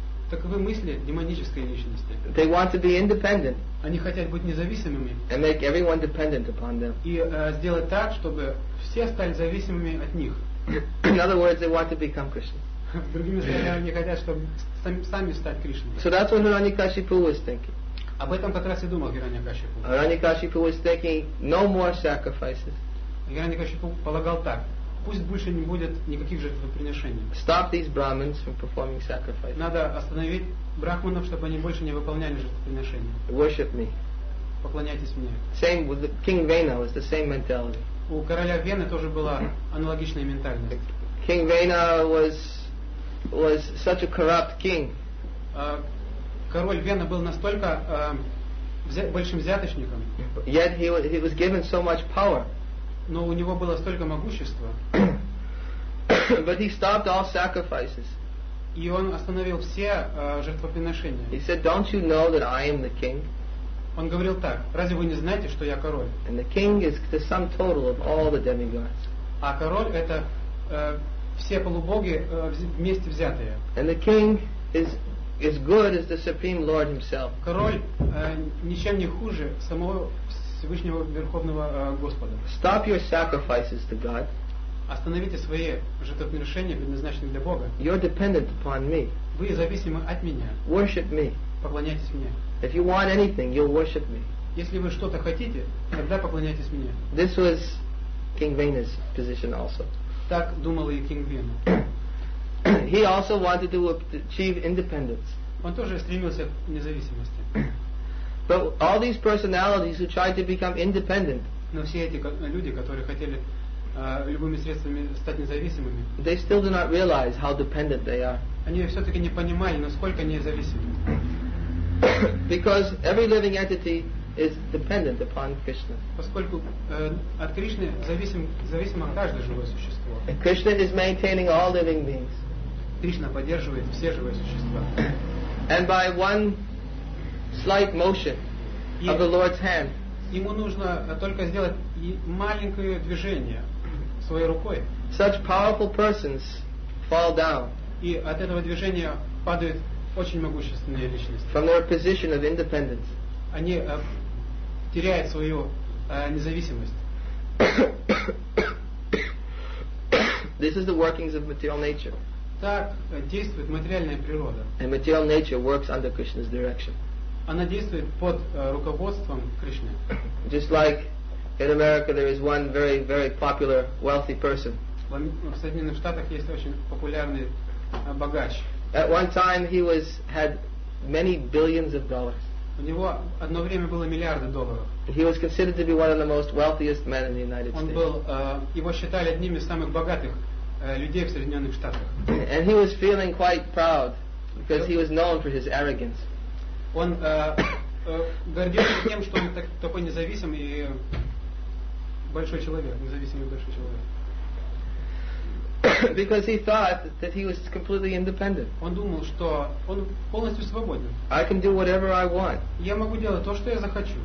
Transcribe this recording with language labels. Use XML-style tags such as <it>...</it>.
<ru>Таковы мысли демонической личности.</ru> <en>They want to be independent.</en> <ru>Они хотят быть независимыми.</ru> <en>And make everyone dependent upon them.</en> <ru>И сделать так, чтобы все стали зависимыми от них.</ru> <en>In other words, they want to become Krishna.</en> <ru>Другими словами, они хотят, чтобы сами стать Кришной.</ru> <en>So that's what Hiranyakashipu was thinking.</en> <ru>Об этом как раз и думал Hiranyakashipu.</ru> <en>Hiranyakashipu was thinking, no more sacrifices.</en> <ru>Hiranyakashipu полагал так. Пусть больше не будет никаких жертвоприношений.</ru> <en>Stop these brahmins from performing sacrifices.</en> <ru>Надо остановить брахманов, чтобы они больше не выполняли жертвоприношения.</ru> <en>Worship me.</en> <ru>Поклоняйтесь мне.</ru> <en>Same with King Vena was the same mentality.</en> <ru>У короля Вены тоже была аналогичная ментальность.</ru> <en>King Vena was such a corrupt king.</en> <ru>Король Вена был настолько большим взяточником.</ru> <en>Yet he was given so much power.</en> <ru>Но у него было столько могущества.</ru> <en>But he stopped all sacrifices.</en> <ru>И он остановил все жертвоприношения.</ru> <en>He said, "Don't you know that I am the king?"</en> <ru>Он говорил так: "Разве вы не знаете, что я король?"</ru> <en>And the king is the sum total of all the demigods.</en> <ru>А король это все полубоги вместе взятые.</ru> <en>And the king is good as the supreme lord himself.</en> <ru>Король ничем не хуже самого Всевышнего Верховного Господа.</ru> <en>Stop your sacrifices to God.</en> <ru>Остановите свои жертвоприношения, предназначенные для Бога.</ru> <en>You're dependent upon me.</en> <ru>Вы зависимы от меня.</ru> <en>Worship me.</en> <ru>Поклоняйтесь мне.</ru> <en>If you want anything, you'll worship me.</en> <ru>Если вы что-то хотите, тогда поклоняйтесь мне.</ru> <en>This was King Vena's position also.</en> <ru>Так думал и King Vena.</ru> <en>He also wanted to achieve independence.</en> <ru>Он тоже стремился к независимости.</ru> <en>But all these personalities who tried to become independent.</en> <ru>Но все эти люди, которые хотели любыми средствами стать независимыми.</ru> <en>They still do not realize how dependent they are.</en> <ru>Они все-таки не понимали, насколько они зависимы.</ru> <en>Because every living entity is dependent upon Krishna.</en> <ru>Поскольку от Кришны зависимо каждое живое существо.</ru> <en>And Krishna is maintaining all living beings.</en> <ru>Кришна поддерживает все живые существа.</ru> <en>And by one slight motion of the Lord's hand.</en> <ru>Ему нужно только сделать маленькое движение своей рукой.</ru> <en>Such powerful persons fall down.</en> <ru>И от этого движения падают очень могущественные личности.</ru> <en>From their position of independence.</en> <ru>Они теряют свою независимость.</ru> <en>This is the workings of material nature.</en> <ru>Так действует материальная природа.</ru> <en>And material nature works under Krishna's direction.</en> <ru>Она действует под руководством Кришны.</ru> <en>Just like in America, there is one very, very popular wealthy person.</en> <ru>В Соединенных Штатах есть очень популярный богач.</ru> <en>At one time, he had many billions of dollars.</en> <ru>У него одно время было миллиарды долларов.</ru> <en>He was considered to be one of the most wealthiest men in the United States.</en> <ru>Он был, его считали одним из самых богатых людей в Соединенных Штатах.</ru> <en>And he was feeling quite proud because he was known for his arrogance.</en> <ru>Он гордился тем, что он такой независимый и большой человек, независимый большой человек.</ru> <en>Because he thought that he was completely independent.</en> <ru>Он думал, что он полностью свободен.</ru> <en>I can do whatever I want.</en> <ru>Я могу делать то, что я захочу.</ru>